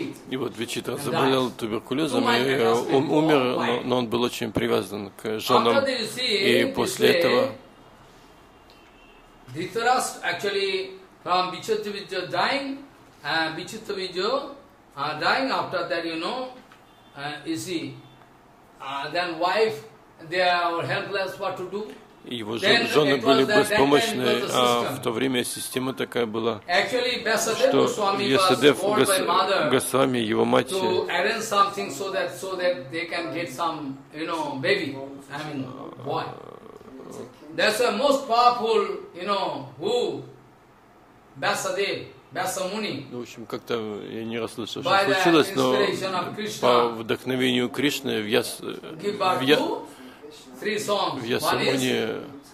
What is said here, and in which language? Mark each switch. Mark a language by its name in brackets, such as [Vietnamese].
[Russian] И вот Вичитра заболел туберкулезом и умер, но он был очень привязан к женам. И после этого [English] Дхритараштра, actually, from Vichitta Virja dying, Vichitta Virja dying, after that, you know, you see, then wife, they are helpless, what to do? [Russian] Его жены были беспомощны, а в то время система такая была, что Ясадев Госвами, его мать, ну, в общем, как-то я не расслышал, что случилось, но по вдохновению Кришны в Ясамуни